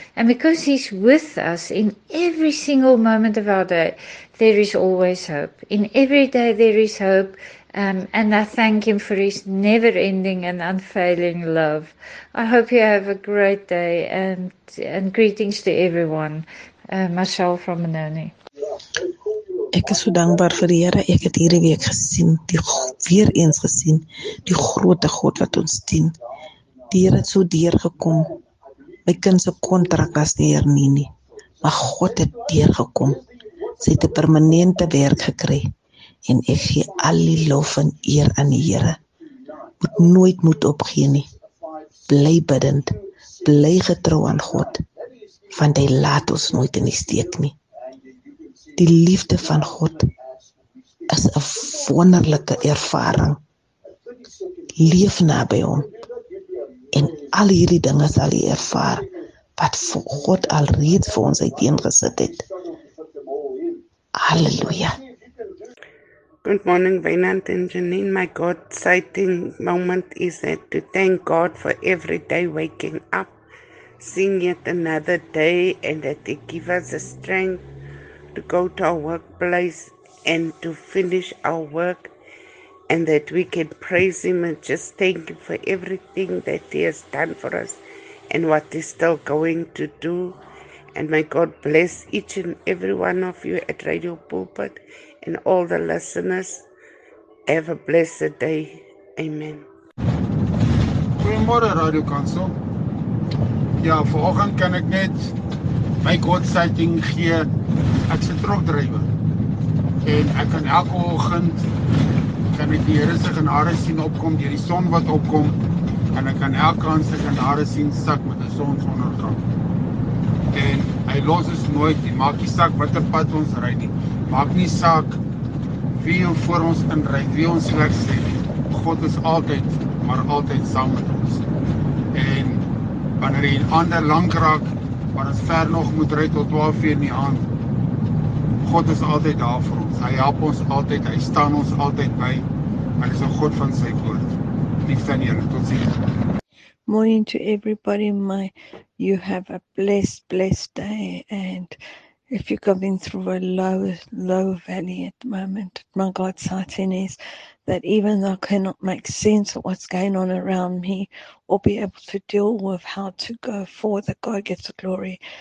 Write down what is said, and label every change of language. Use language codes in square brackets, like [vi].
[en] And because He's with us in every single moment of our day, there is always hope. In every day there is hope. And I thank Him for His never-ending and unfailing love. I hope you have a great day, and greetings to everyone. Michelle from Benoni. [af] Ek is so dankbaar vir die Here. Ek het hierdie week gesien, weer eens gesien, die grote God wat ons dien. Die Here het so deurgekom. My kind se kontrak was nie hier nie. Maar God het deurgekom. Sy het 'n permanente werk gekry. En ek gee al die lof en eer aan die Here. Moet nooit moet opgee nie. Bly bidend. Bly getrou aan God. Want Hy laat ons nooit in die steek nie. Die liefde van God is 'n wonderlike ervaring. Leef naby Hom. En al hierdie dinge sal jy ervaar wat God alreeds vir ons uiteengesit het. Halleluja. [en] Good morning, Wynand and Janine. My God, exciting moment is that to thank God for every day waking up, seeing yet another day, and that He give us the strength to go to our workplace and to finish our work, and that we can praise Him and just thank Him for everything that He has done for us and what He's still going to do. And may God bless each and every one of you at Radio Pulpit and all the listeners. Have a blessed day. Amen. [af] Goedemorgen, Radio Council. Ja, vanoggend kan ek net my God sighting gee. Ek is 'n trokdrywer. En ek kan elke oggend kan ek die Here se genade sien opkom deur die son wat opkom. En ek kan elke aand se genade sien sak met 'n sonsondergang. En Hy los ons nooit nie. Maak nie saak watter pad ons ry nie. Maak nie saak wie ons voor ons inry, wie ons werk sê. God is altyd, maar altyd saam met ons. En wanneer die ander lank raak, maar ons ver nog moet ry tot 12 uur in die aand, God is altyd daar vir ons. Hy help ons altyd, Hy staan ons altyd by. Hy is 'n God van sy woord. Liefde aan julle, tot ziens. [en] Morning to everybody. You have a blessed day. And if you're coming through a low valley at the moment, my God's sighting is that even though I cannot make sense of what's going on around me or be able to deal with how to go forward, that God gets the glory.